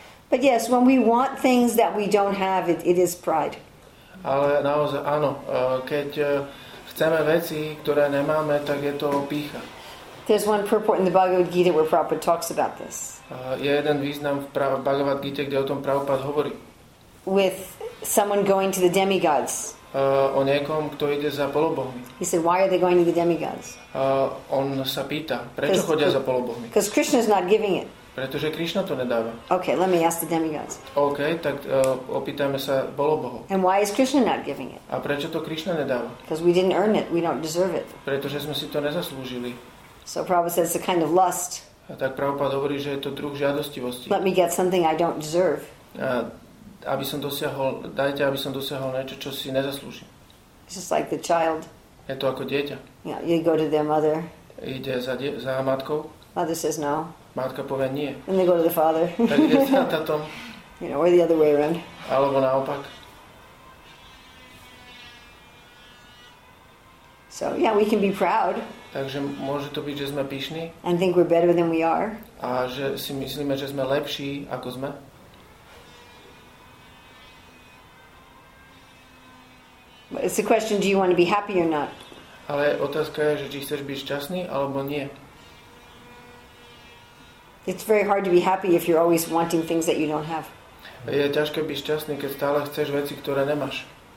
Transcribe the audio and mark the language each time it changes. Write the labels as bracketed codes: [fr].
[en] But yes, when we want things that we don't have, it is pride. [sk] Ale naozaj, áno, keď chceme veci, ktoré nemáme, tak je to pýcha. [en] There's one purport in the Bhagavad Gita where Prabhupada talks about this. [sk] Je jeden význam v Bhagavad Gita, kde o tom Prabhupada hovorí. [en] With someone going to the demigods. [sk] O niekom, kto ide za polobohmi. [en] He said, why are they going to the demigods? [sk] On sa pýta, prečo chodia za polobohmi? [en] Because Krishna is not giving it. [sk] Pretože Krishna to nedáva. [en] Okay, let me ask the demigods. [sk] Okay, tak opýtame sa polobohov. [en] And why is Krishna not giving it? [sk] A prečo to Krishna nedáva? [en] Because we didn't earn it, we don't deserve it. [sk] Pretože sme si to nezaslúžili. [en] So Prabhupada says it's a kind of lust. [sk] A tak Prabhupada hovorí, že je to druh žiadostivosti. [en] Let me get something I don't deserve. [sk] Dajte, aby som dosiahol niečo, čo si nezaslúžim. [en] It's just like the child. [sk] Je to ako dieťa. [en] Yeah, you go to their mother. [sk] Ide za matkou. [en] Mother says no. [sk] Matka povie nie. [en] And they go to the father. [sk] Tak ide za tatom. [en] You know, or the other way around. [sk] Alebo naopak. [en] So yeah, we can be proud. [sk] Takže môže to byť, že sme pyšní. [en] And think we're better than we are. [sk] A že si myslíme, že sme lepší, ako sme. [en] But it's a question, do you want to be happy or not? [sk] Ale otázka je, že či chceš byť šťastný, alebo nie. [en] It's very hard to be happy if you're always wanting things that you don't have. [sk] Je ťažké byť šťastný, keď stále chceš veci, ktoré nemáš.